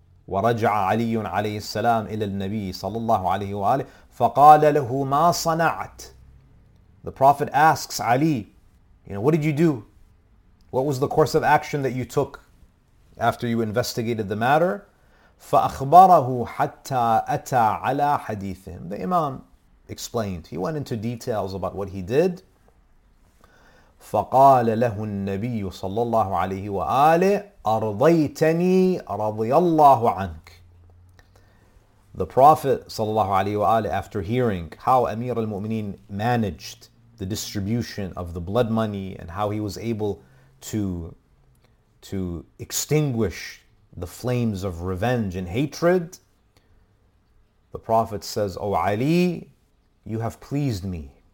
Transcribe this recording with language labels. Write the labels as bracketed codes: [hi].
[ar] ورجع علي عليه السلام إلى النبي صلى الله عليه وآله فقال له ما صنعت. [en] The Prophet asks Ali, you know, what did you do? What was the course of action that you took after you investigated the matter? [ar] فأخبره حتى أتى على حديثهم. [en] The Imam explained. He went into details about what he did. [ar] فقال له النبي صلى الله عليه وآله أرضيتني رضي الله عنك. [en] The Prophet صلى الله عليه وآله, after hearing how Amir al-Mu'mineen managed the distribution of the blood money and how he was able to extinguish the flames of revenge and hatred, the Prophet says, O Ali, you have pleased me.